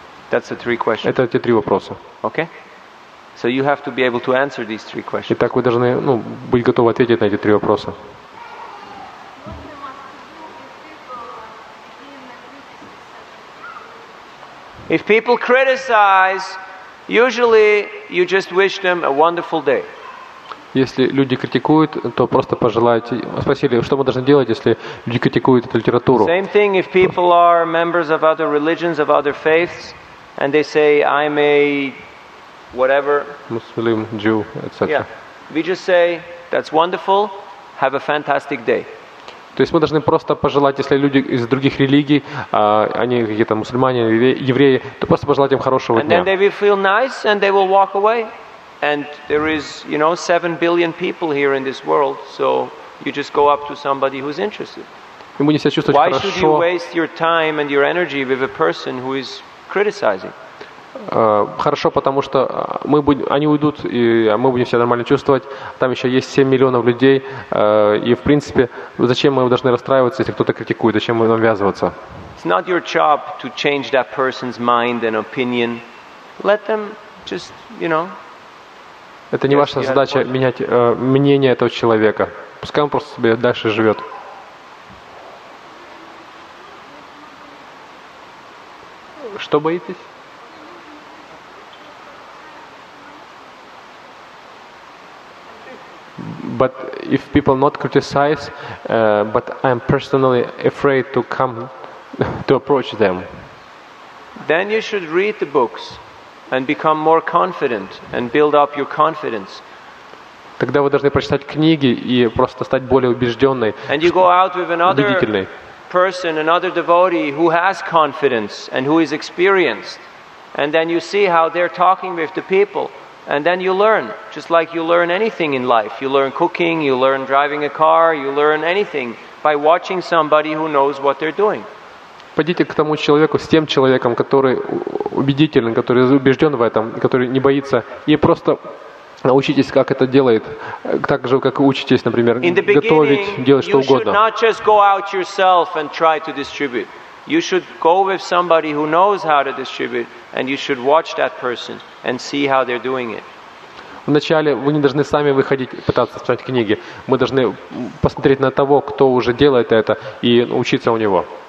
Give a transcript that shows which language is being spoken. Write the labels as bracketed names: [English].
[English] That's the three questions. [Russian] Это эти три вопроса. [English] Okay. So you have to be able to answer these three questions. [Russian] Итак, вы должны, ну, быть готовы ответить на эти три вопроса. [English] If people criticize, usually you just wish them a wonderful day. [Russian] Если люди критикуют, то просто пожелайте. Спросили, что мы должны делать, если люди критикуют эту литературу? [English] Same thing if people are members of other religions, of other faiths. And they say, I'm a whatever. Muslim, Jew, etc. Yeah. We just say, that's wonderful. Have a fantastic day. [Russian] То есть мы должны просто пожелать, если люди из других религий, они какие-то мусульмане, евреи, то просто пожелать им хорошего дня. [English] And then they will feel nice and they will walk away. And there is, you know, 7 billion people here in this world. So you just go up to somebody who's interested. [Russian] Им будет себя чувствовать [English] Why [Russian] хорошо. [English] Why should you waste your time and your energy with a person who is criticizing. [Russian] Хорошо, потому что мы будем, они уйдут, и мы будем себя нормально чувствовать. Там еще есть 7 миллионов людей, и в принципе, зачем мы должны расстраиваться, если кто-то критикует, зачем мы нам ввязываться? [English] It's not your job to change that person's mind and opinion. Let them just, you know. [Russian] Это не ваша задача менять мнение этого человека. Пускай он просто себе дальше живет. Что боитесь? [English] But if people not criticize, but I'm personally afraid to come to approach them. Then you should read the books and become more confident and build up your confidence. [Russian] Тогда вы должны прочитать книги и просто стать более убежденной. [English] And you go out with another person, another devotee who has confidence and who is experienced, and then you see how they're talking with the people, and then you learn, just like you learn anything in life. You learn cooking, you learn driving a car, you learn anything by watching somebody who knows what they're doing. [Russian] Пойдите к тому человеку, с тем человеком, который убедителен, который убежден в этом, который не боится, и просто научитесь, как это делает, так же, как учитесь, например, готовить, делать что угодно. [English] You should not just go out yourself and try to distribute. You should go with somebody who knows how to distribute, and you should watch that person and see how they're doing it. [Russian] Вначале вы не должны сами выходить, пытаться читать книги. Мы должны посмотреть на того, кто уже делает это, и учиться у него.